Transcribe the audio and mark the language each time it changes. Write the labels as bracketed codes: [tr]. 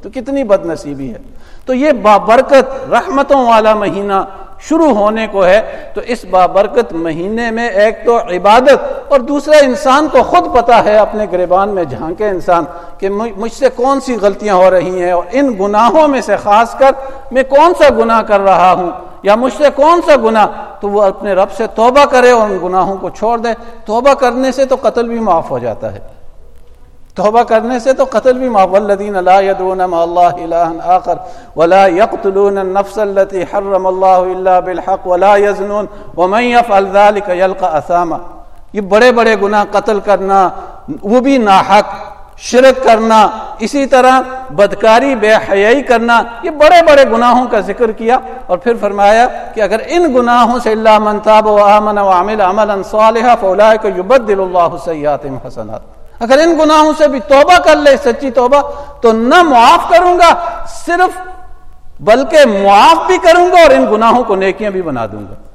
[ur] تو کتنی بد نصیبی ہے. تو یہ بابرکت رحمتوں والا مہینہ شروع ہونے کو ہے, تو اس بابرکت مہینے میں ایک تو عبادت اور دوسرا انسان کو خود پتہ ہے, اپنے گریبان میں جھانکے انسان کہ مجھ سے کون سی غلطیاں ہو رہی ہیں اور ان گناہوں میں سے خاص کر میں کون سا گناہ کر رہا ہوں یا مجھ سے کون سا گناہ, تو وہ اپنے رب سے توبہ کرے اور ان گناہوں کو چھوڑ دے. توبہ کرنے سے تو قتل بھی معاف ہو جاتا ہے, توبہ کرنے سے تو قتل بھی معاف. [ar] والذین لا يدعون مع الله الہا آخر ولا يقتلون النفس التي حرم الله الا بالحق ولا يزنون ومن يفعل ذلك يلقى اثاما. [ur] یہ بڑے بڑے گناہ, قتل کرنا وہ بھی ناحق, شرک کرنا, اسی طرح بدکاری بے حیائی کرنا, یہ بڑے بڑے گناہوں کا ذکر کیا اور پھر فرمایا کہ اگر ان گناہوں سے [ar] الا من تاب وآمن وعمل عملا صالحا فاولئک یبدل الله سیئاتهم حسنات, [ur] اگر ان گناہوں سے بھی توبہ کر لے سچی توبہ تو نہ معاف کروں گا صرف بلکہ معاف بھی کروں گا اور ان گناہوں کو نیکیاں بھی بنا دوں گا.